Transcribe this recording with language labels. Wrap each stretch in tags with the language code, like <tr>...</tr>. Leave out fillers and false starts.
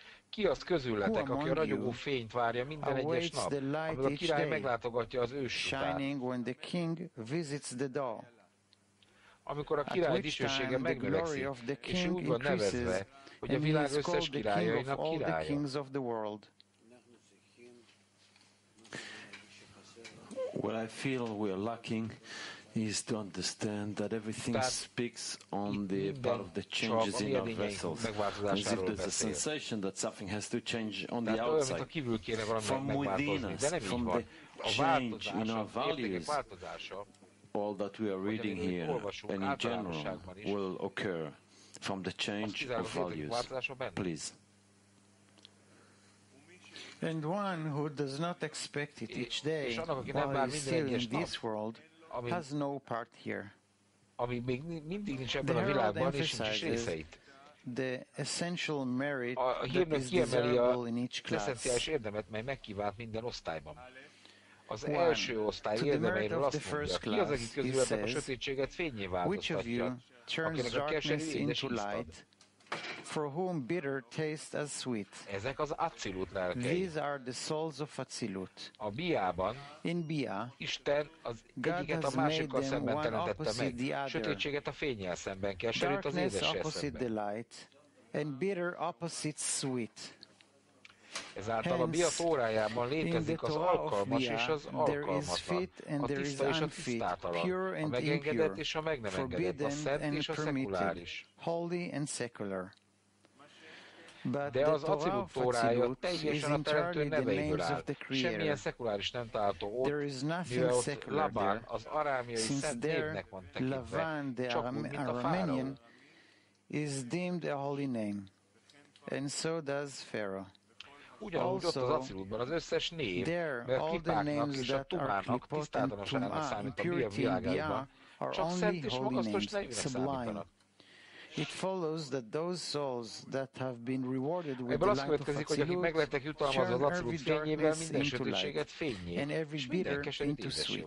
<hu>Ki az közületek, aki a ragyogó fényt várja minden egyes nap, amikor a király meglátogatja az ősutát? Amikor a király dicsősége megnövekszik, és úgy van nevezve, hogy a világ összes királyainak királya.</hu> <en>What I feel we are lacking is to understand that everything speaks on the part of the changes in our vessels, as if there's a sensation that something has to change on the outside, from within us, from the change in our values. All that we are reading here and in general will occur from the change of values. Please. And one who does not expect it each day while he's still in this world has no part here. The herald emphasizes the essential merit that is desirable in each class.</en> <hu>Az első osztály érdemeiről azt mondja, ki az, aki közületek a sötétséget fényé változtatja, akinek a keserű édes ízt ad.</hu> <en>for whom bitter tastes as sweet.</en> <hu>Ezek az Acilut lelkei.</hu> <en>These are the souls of Acilut.</en> <hu>A Biában,</hu> <en>in Bia,</en> <hu>Isten az egyiket a másikkal szemben teremtette meg. Sötétséget a fénnyel szemben keserült az édessel szemben.</hu> <en>Darkness opposite the light, and bitter opposite sweet.</en> <hu>Ezáltal a Bia tórájában létezik az alkalmas és az alkalmatlan, a tiszta és a tisztátalan, a megengedett és a meg nem engedett, a szent és a szekuláris.</hu> <en>Holy and secular.</en> <hu>De az Acilut tórája teljesen a teremtő neveiből áll. Semmilyen szekuláris nem található ott, mivel ott Labán, az arámiai szent névnek van tekintve, csak úgy, mint a fáraó.</hu> <en>Is deemed a holy name, and so does Pharaoh.</en> <hu>Ugyanúgy ott az Acilutban az összes név, mert kipáknak és a tumának tisztátalanságának számít a Bia világában, csak szent és magasztos nevűnek számítanak.</hu> <en>It follows that those souls that have been rewarded with</en> <hu>ebből</hu> <en>the light</en> <hu>azt következik,</hu> <en>of Acilut</en> <hu>az Acilut fényében minden sötétséget fényé,</hu> <en>and every bitter into sweet.</en>